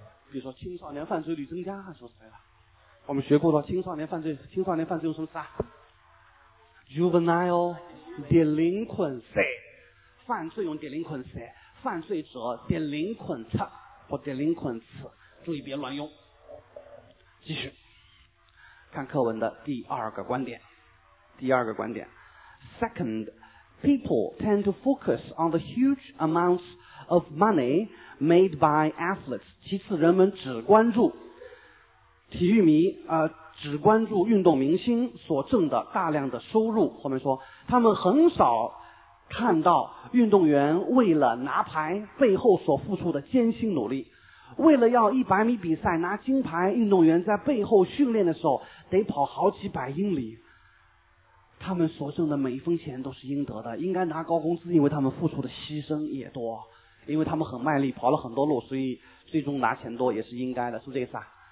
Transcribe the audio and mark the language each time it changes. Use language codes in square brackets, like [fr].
[zh] 比如说青少年犯罪率增加，说实在的，我们学过了青少年犯罪用什么词啊 ？Juvenile delinquency， 犯罪用 delinquency， 犯罪者 delinquent 或 delinquents， 注意别乱用。继续看课文的第二个观点。第二个观点 [en] Second, people tend to focus on the huge amounts of money made by athletes. [zh] 其次人们只关注体育迷、只关注运动明星所挣的大量的收入。后面说他们很少看到运动员为了拿牌背后所付出的艰辛努力。为了要100米比赛拿金牌，运动员在背后训练的时候得跑好几百英里，他们所挣的每一分钱都是应得的，应该拿高工资，因为他们付出的牺牲也多，因为他们很卖力，跑了很多路，所以最终拿钱多也是应该的，是这意思啊？